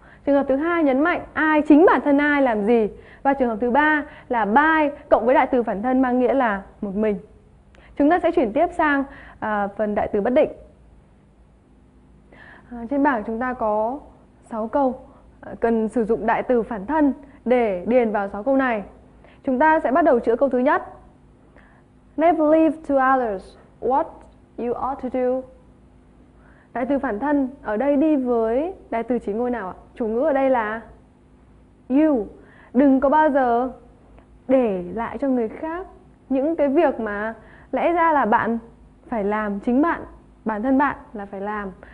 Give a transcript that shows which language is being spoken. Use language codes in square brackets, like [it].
[vi] Trường hợp thứ hai nhấn mạnh ai, chính bản thân ai làm gì. Và trường hợp thứ ba là by cộng với đại từ phản thân mang nghĩa là một mình. Chúng ta sẽ chuyển tiếp sang phần đại từ bất định. Trên bảng chúng ta có 6 câu cần sử dụng đại từ phản thân để điền vào 6 câu này. Chúng ta sẽ bắt đầu chữa câu thứ nhất. [en] Never leave to others what you ought to do. [vi] Đại từ phản thân ở đây đi với đại từ chỉ ngôi nào ạ? Chủ ngữ ở đây là you. Đừng có bao giờ để lại cho người khác những cái việc mà lẽ ra là bạn phải làm, chính bạn, bản thân bạn là phải làm.